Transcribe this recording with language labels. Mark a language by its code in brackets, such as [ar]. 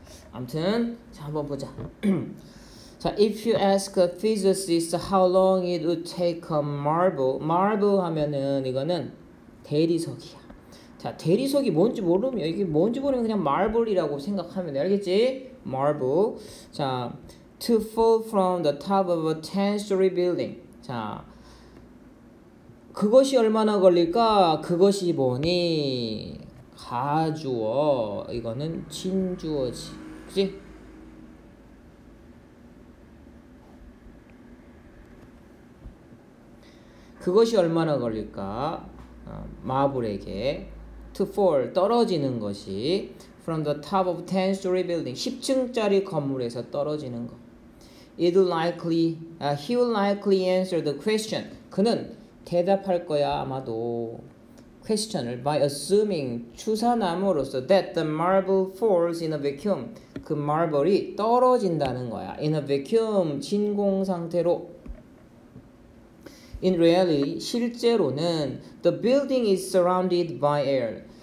[ko] 아무튼 자 한번 보자. 자, [en] if you ask a physicist how long it would take a marble [ko] 하면은 이거는 대리석이야. 자, 대리석이 뭔지 모르면 이게 뭔지 모르면 그냥 marble이라고 생각하면 돼. 알겠지? marble. [en] 자, to fall from the top of a 10-story building. [ko] 자, 그것이 얼마나 걸릴까? 그것이 뭐니? 가주어. 이거는 진주어지. 그치? 그것이 얼마나 걸릴까? 마블에게. [en] To fall. [ko] 떨어지는 것이. [en] From the top of 10-story building. [ko] 10층짜리 건물에서 떨어지는 것. [en] He will likely answer the question. [ko] 그는 대답할 거야, 아마도. [en] Question을 by assuming [ko] 추산함으로써 [en] that the marble falls in a vacuum. [ko] 그 marble이 떨어진다는 거야. [en] In a vacuum, [ko] 진공 상태로. [en] In reality, [ko] 실제로는 [en] the building is surrounded by air.